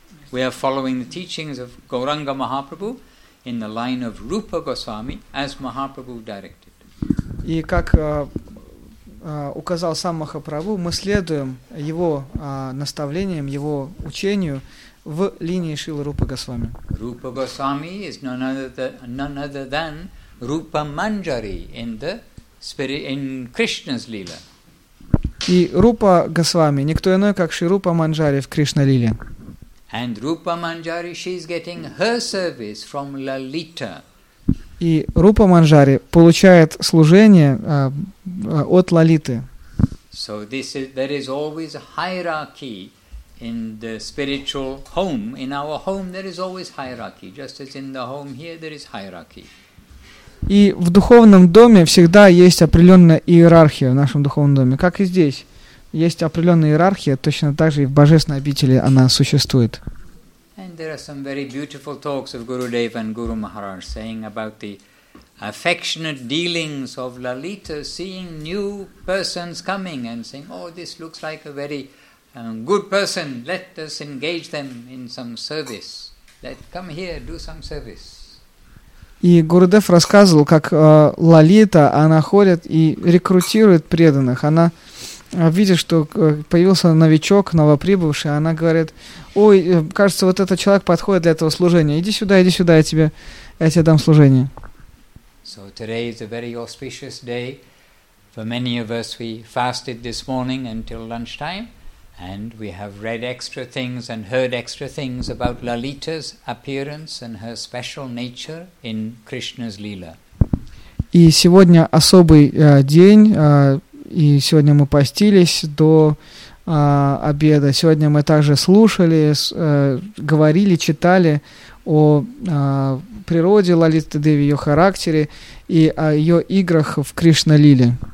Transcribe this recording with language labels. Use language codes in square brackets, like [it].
[en] We are following the teachings of Gauranga Mahaprabhu in the line of Rupa Goswami, as Mahaprabhu directed. [ru] И как указал сам Махапрабху, мы следуем его наставлениям, его учению в линии Шрилы Рупы Госвами. [en] Rupa Goswami is none other than Rupa Manjari in the spirit in Krishna's Lila. [ru] И Рупа Госвами никто иной, как Шри Рупа Манджари в Кришна Лиле. [en] And Rupa Manjari, she's getting her service from Lalita. [ru] И Рупа Манджари получает служение от Лалиты. [en] So there is always a hierarchy. In the spiritual home, in our home, there is always hierarchy, just as in the home here, there is hierarchy. [ru] И в духовном доме всегда есть определенная иерархия в нашем духовном доме, как и здесь. Есть определенная иерархия, точно так же и в божественной обители она существует. [en] And there are some very beautiful talks of Gurudev and Guru Maharaj saying about the affectionate dealings of Lalita, seeing new persons coming and saying, oh, this looks like a very good person, let us engage them in some service. Let come here, do some service. [ru] И Гурудев рассказывал, как Лалита, она ходит и рекрутирует преданных. Она видит, что появился новичок, новоприбывший, она говорит, ой, кажется, вот этот человек подходит для этого служения. Иди сюда, я тебе дам служение. [en] So today is a very auspicious day. For many of us, we fasted this morning until lunchtime. And we have read extra things and heard extra things about Lalita's appearance and her special nature in Krishna's Lila. [ru] И сегодня особый день, и сегодня мы постились до обеда. Сегодня мы также слушали, говорили, читали о природе Лалиты Деви, ее характере и о ее играх в Кришна-лиле.